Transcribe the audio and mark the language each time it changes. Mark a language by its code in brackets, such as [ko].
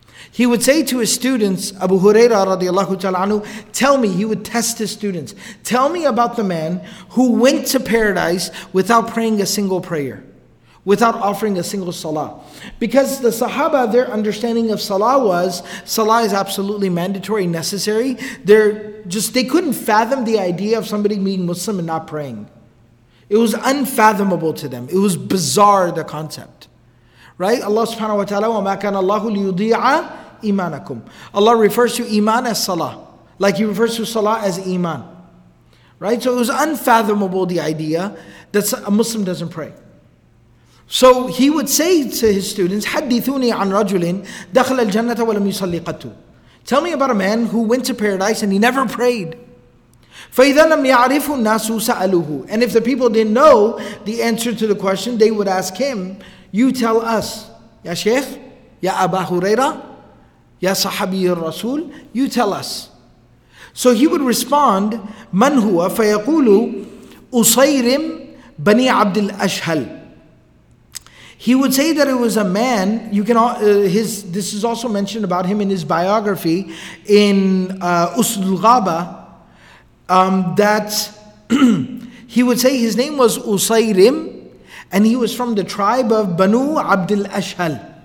[en] He would say to his students, Abu Huraira radiallahu ta'ala anhu, tell me, he would test his students, tell me about the man who went to paradise without praying a single prayer, without offering a single salah. Because the Sahaba, their understanding of salah was, salah is absolutely mandatory, necessary. They couldn't fathom the idea of somebody being Muslim and not praying. It was unfathomable to them. It was bizarre, the concept. Right? [ar] Allah subhanahu wa ta'ala, وَمَا كَانَ اللَّهُ لِيُضِيعَ إِيمَانَكُمْ. [en] Allah refers to iman as salah. Like He refers to salah as iman. Right? So it was unfathomable, the idea that a Muslim doesn't pray. So he would say to his students, [ar] حَدِّثُونِي عَنْ رَجُلٍ دَخْلَ الْجَنَّةَ وَلَمْ يُصَلِّي قَتُّ. [en] Tell me about a man who went to paradise and he never prayed. [ar] فَإِذَا لَمْ يَعْرِفُ النَّاسُ سَأَلُهُ. [en] And if the people didn't know the answer to the question, they would ask him, "You tell us, Ya Shaykh, Ya Aba Huraira, Ya Sahabi Rasul, you tell us." So he would respond, [ar] مَنْ هُوَ فَيَقُولُ أُصَيْرِمْ بَنِي عَبْدِ الْأَشْهَلِ. [en] He would say that it was a man. You can this is also mentioned about him in his biography, in Usul Ghaba, that he would say his name was Usayrim, and he was from the tribe of Banu Abdul Ashhal.